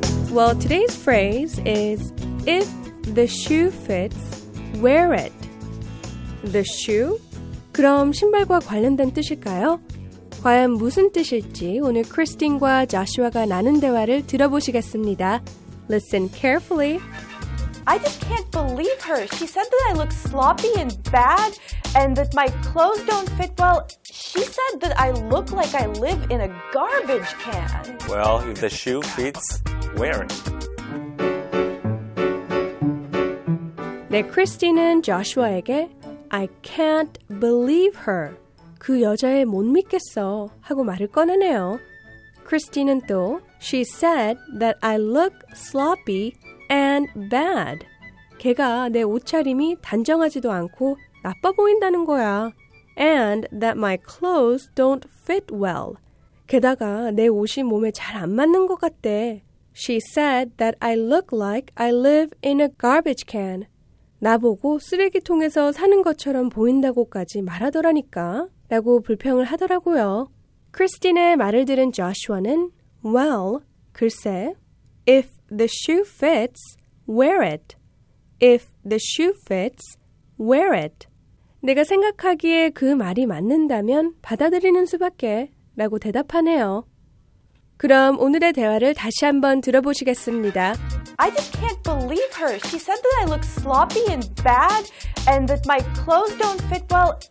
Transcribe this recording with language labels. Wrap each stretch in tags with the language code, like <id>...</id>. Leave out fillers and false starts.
<en>Well, today's phrase is if the shoe fits, wear it. The shoe?</en> <ko>그럼 신발과 관련된 뜻일까요? 과연 무슨 뜻일지 오늘 크리스틴과 조슈아가 나눈 대화를 들어보시겠습니다.</ko> <en>Listen carefully. I just can't believe her. She said that I look sloppy and bad and that my clothes don't fit well. She said that I look like I live in a garbage can. Well, if the shoe fits, wear it.</en> <ko>네, 크리스틴은 조슈아에게</ko> <en>I can't believe her.</en> <ko>그 여자에 못 믿겠어 하고 말을 꺼내네요. 크리스틴은 또</ko> <en>She said that I look sloppy and bad.</en> <ko>걔가 내 옷차림이 단정하지도 않고 나빠 보인다는 거야.</ko> <en>And that my clothes don't fit well.</en> <ko>게다가 내 옷이 몸에 잘 안 맞는 것 같대.</ko> <en>She said that I look like I live in a garbage can.</en> <ko>나보고 쓰레기통에서 사는 것처럼 보인다고까지 말하더라니까. 라고 불평을 하더라고요. 크리스틴의 말을 들은 조슈아는</ko> <en>Well,</en> <ko>글쎄,</ko> <en>If the shoe fits, wear it. If the shoe fits, wear it.</en> <ko>내가 생각하기에 그 말이 맞는다면 받아들이는 수밖에 라고 대답하네요. 그럼 오늘의 대화를 다시 한번 들어보시겠습니다.</ko> <en>I just can't believe her. She said that I look sloppy and bad and that my clothes don't fit well.</en>